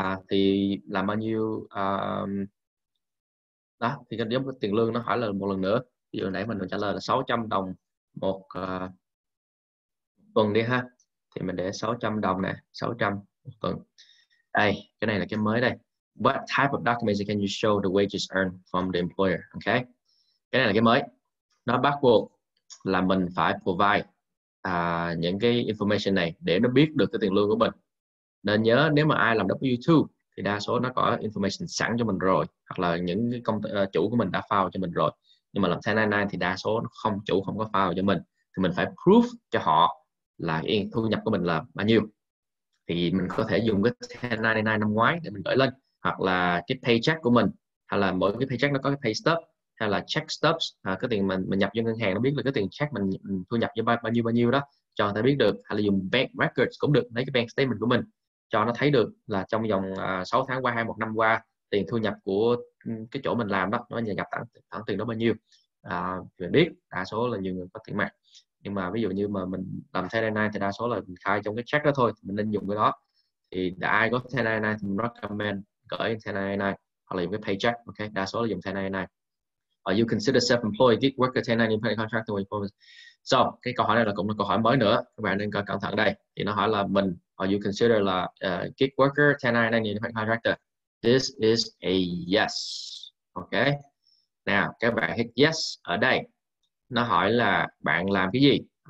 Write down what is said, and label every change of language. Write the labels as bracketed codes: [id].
[vi] Thì làm bao nhiêu đó thì cái giống tiền lương nó hỏi là một lần nữa. Ví dụ nãy mình trả lời là 600 đồng một tuần đi ha. Thì mình để 600 đồng nè, 600 một tuần. Đây, cái này là cái mới đây. [en] What type of documents can you show the wages earned from the employer? [vi] Okay. Cái này là cái mới. Nó bắt buộc là mình phải provide những cái information này để nó biết được cái tiền lương của mình. Nên nhớ nếu mà ai làm W2 thì đa số nó có information sẵn cho mình rồi, hoặc là những cái công chủ của mình đã file cho mình rồi. Nhưng mà làm 1099 thì đa số nó không, chủ không có file cho mình. Thì mình phải prove cho họ là thu nhập của mình là bao nhiêu. Thì mình có thể dùng cái 1099 năm ngoái để mình gửi lên, hoặc là cái paycheck của mình, hay là mỗi cái paycheck nó có cái pay stub, hay là check stubs, cái tiền mình nhập vô ngân hàng nó biết là cái tiền check mình thu nhập vô bao nhiêu đó, cho người ta biết được. Hay là dùng bank records cũng được, lấy cái bank statement của mình cho nó thấy được là trong vòng 6 tháng qua hay 1 năm qua tiền thu nhập của cái chỗ mình làm đó nó nhập thẳng tiền đó bao nhiêu. Mình biết đa số là nhiều người có tiền mặt, nhưng mà ví dụ như mà mình làm 1099 thì đa số là mình khai trong cái check đó thôi, mình nên dùng cái đó. Thì ai có 1099 thì mình recommend gửi 1099 hoặc là dùng cái paycheck, ok. Đa số là dùng 1099. [en] Are you considered self-employed, gig worker, 1099 independent contractor when you form? [vi] So cái câu hỏi này là cũng là câu hỏi mới nữa, các bạn nên cẩn thận đây. Thì nó hỏi là mình, [en] are you considered [vi] là gig worker, 1099 independent contractor? [en] This is a yes, ok. Now [vi] các bạn hit yes ở đây. Nó hỏi là bạn làm cái gì?